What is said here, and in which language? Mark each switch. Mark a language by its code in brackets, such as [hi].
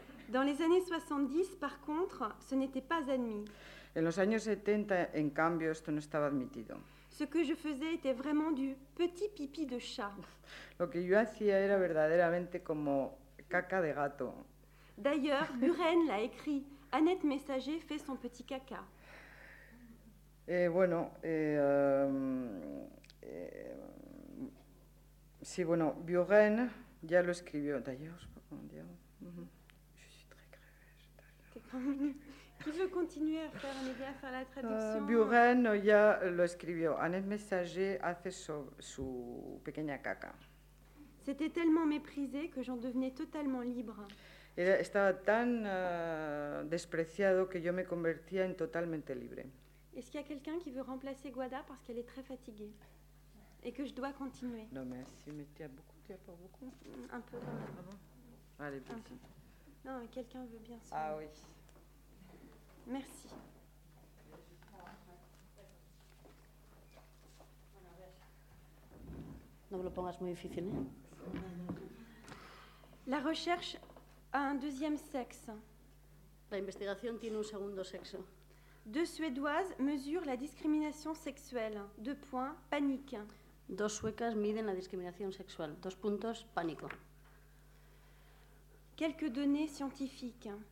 [fr] Dans les années 70, par contre, ce n'était pas admis. [es] En los años 70, en cambio, esto no estaba admitido. [fr] Ce que je faisais était vraiment du petit pipi de chat. [es] Lo que yo hacía era verdaderamente como caca de gato. [fr] D'ailleurs, Buren l'a écrit. Annette Messager fait son petit caca. [es] Buren ya lo escribió. [fr] D'ailleurs, je ne sais pas comment dire. Je suis très crevée. Qui veut continuer à faire un média, à faire la traduction? [es] Buren ya lo escribió. Annette Messager hace su pequeña caca. [fr] C'était tellement méprisé que j'en devenais totalement libre. [es] Estaba tan despreciado que yo me convertía en totalmente libre. [fr] Est-ce qu'il y a quelqu'un qui veut remplacer Guada parce qu'elle est très fatiguée et que je dois continuer? Non, merci, mais tu as beaucoup, tu as pas beaucoup. Un peu quand même. Ah bon? Allez, vas-y. Non, mais quelqu'un veut bien ça. Ah oui. Merci. [es] No me lo pongas muy difícil, ¿eh? [fr] La recherche a un deuxième sexe. [es] La investigación tiene un segundo sexo. [fr] Deux Suédoises mesurent la discrimination sexuelle. Deux points, panique. [es] Dos suecas miden la discriminación sexual. Dos puntos, pánico. [fr] Quelques données scientifiques.